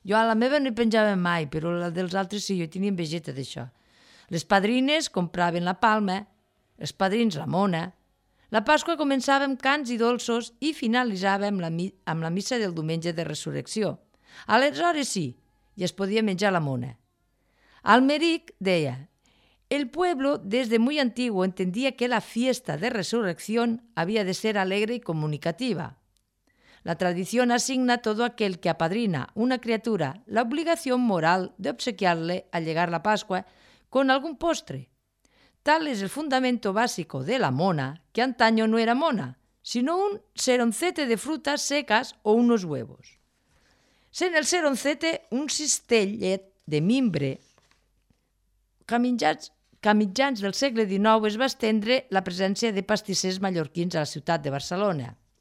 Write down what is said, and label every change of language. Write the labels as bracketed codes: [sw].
[ca] Jo a la meva no hi penjava mai, però la dels altres sí, jo tenia vegeta d'això. Les padrines compraven la palma, els padrins la mona. La Pasqua començava amb cants i dolços i finalitzava amb la missa del Diumenge de Resurrecció. Aleshores sí, ja es podia menjar la mona. [es] Almeric deia: el pueblo desde muy antiguo entendía que la fiesta de resurrección había de ser alegre y comunicativa. La tradición asigna a todo aquel que apadrina una criatura la obligación moral de obsequiarle al llegar la Pascua con algún postre. Tal es el fundamento básico de la mona, que antaño no era mona, sino un seroncete de frutas secas o unos huevos. [ca] Sent el seroncete un cistellet de mimbre, camitjans del segle XIX es va estendre la presència de pastissers mallorquins a la ciutat de Barcelona.